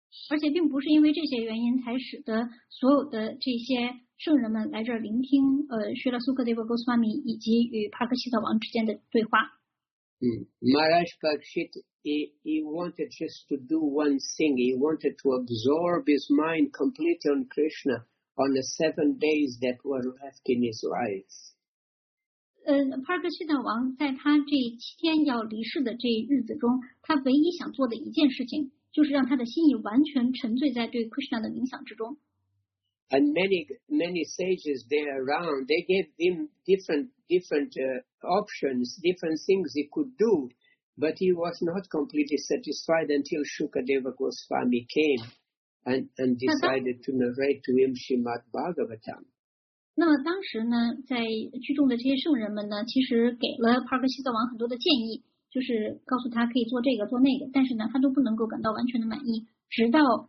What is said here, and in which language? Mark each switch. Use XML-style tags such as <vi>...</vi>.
<zh>而且并不是因为这些原因才使得所有的这些圣人们来这儿聆听Srila Sukadeva Goswami 以及与 Parikshita 王之间的对话。</zh> <en>Maharaj Parikshit, he wanted just to do one thing. He wanted to absorb his mind completely on Krishna, on the 7 days that were left in his life.</en> <zh>帕克西特王在他这七天要离世的这日子中，他唯一想做的一件事情，就是让他的心意完全沉醉在对 Krishna 的冥想之中。</zh> <en>And many sages there around, they gave him different options, different things he could do, but he was not completely satisfied until Shukadeva Goswami came and decided to narrate to him Srimad Bhagavatam.</en> <zh>那么当时呢，在聚众的这些圣人们呢，其实给了帕克西特王很多的建议，就是告诉他可以做这个做那个，但是呢，他都不能够感到完全的满意，直到。</zh>